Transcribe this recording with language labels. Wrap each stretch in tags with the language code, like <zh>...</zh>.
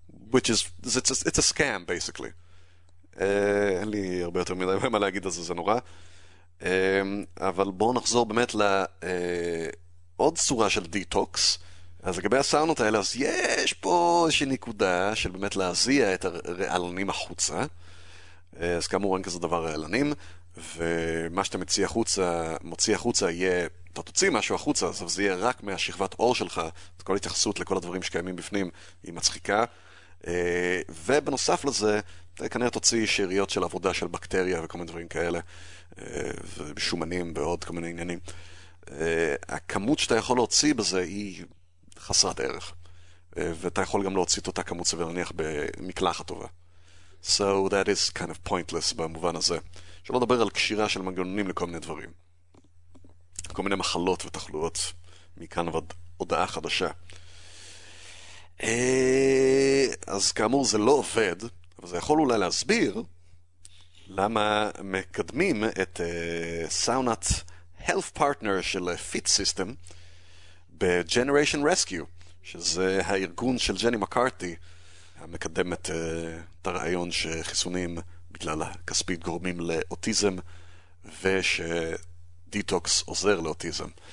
<en>Which is, it's a scam, basically.</en> <he>אין לי הרבה יותר מדי מה להגיד על זה, זה נורא. אבל בואו נחזור באמת לעוד צורה של דיטוקס. אז לגבי הסאונות האלה, אז יש פה איזושהי נקודה של באמת להזיע את הרעלנים החוצה. אז כאמור, אין כזה דבר רעלנים. ומה שאתה מוציא החוצה יהיה, אתה תוציא משהו החוצה, אז זה יהיה רק מהשכבת אור שלך, את כל התייחסות לכל הדברים שקיימים בפנים, היא מצחיקה. ובנוסף לזה, אתה כנראה תוציא שיריות של עבודה של בקטריה וכל מיני דברים כאלה, ושומנים ועוד כל מיני עניינים. הכמות שאתה יכול להוציא בזה היא חסרת ערך. ואתה יכול גם להוציא את אותה כמות סביר להניח במקלחת טובה.</he> <en>So that is kind of pointless</en> <he>במובן הזה. שלא לדבר על קשירה של מנגנונים לכל מיני דברים. כל מיני מחלות ותחלויות מכאן ועד הודעה חדשה. אז כאמור זה לא עובד, אבל זה יכול אולי להסביר למה מקדמים את סאונת Health Partner של Fit System ב-Generation Rescue, שזה הארגון של ג'ני מקארתי, המקדם את הרעיון שחיסונים בגלל הכספית גורמים לאוטיזם, ושדיטוקס עוזר לאוטיזם.</he>